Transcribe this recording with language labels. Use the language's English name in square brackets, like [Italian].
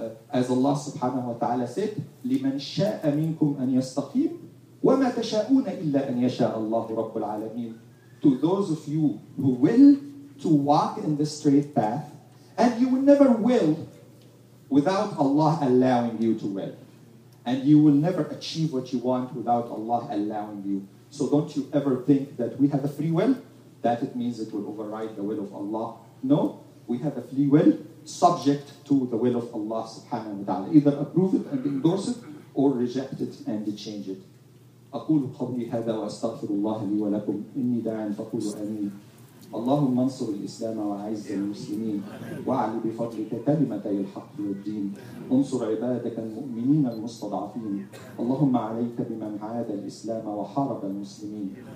[English] As Allah subhanahu wa ta'ala said, [Arabic] لِمَنْ شَاءَ مِنْكُمْ أَنْ يَسْتَقِيمُ وَمَا تَشَاءُونَ إِلَّا أَنْ يَشَاءَ اللَّهُ رَبُّ الْعَالَمِينَ. [English] To those of you who will to walk in the straight path, and you will never will without Allah allowing you to will. And you will never achieve what you want without Allah allowing you. So don't you ever think that we have a free will, that it means it will override the will of Allah. No, we have a free will subject to the will of Allah subhanahu wa ta'ala. Either approve it and endorse it, or reject it and change it. [Arabic] أقول قبلي هذا وأستغفر الله لي ولكم إني داع فقول أمين. اللهم انصر الإسلام وعز المسلمين وعلي بفضلك كلمة الحق والدين. انصر عبادك المؤمنين المستضعفين. اللهم عليك بمن عاد الإسلام وحارب المسلمين.